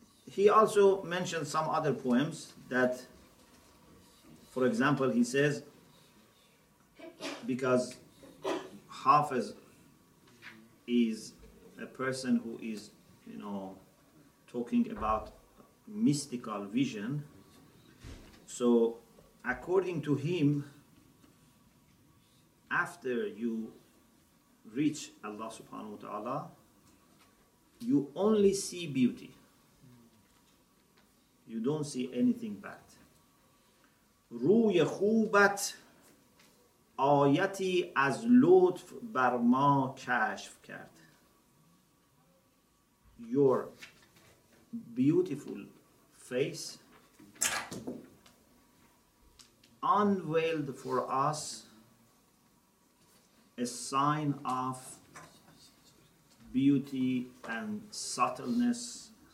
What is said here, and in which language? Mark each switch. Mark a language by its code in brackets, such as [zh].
[en] He also mentioned some other poems that, for example, he says, because Hafez is a person who is, you know, talking about mystical vision. So, according to him, after you reach Allah subhanahu wa ta'ala, you only see beauty. You don't see anything bad. [fa] روی خوبت آیتی از لطف بر ما کشف کرد. [en] Your beautiful face unveiled for us a sign of beauty and subtleness.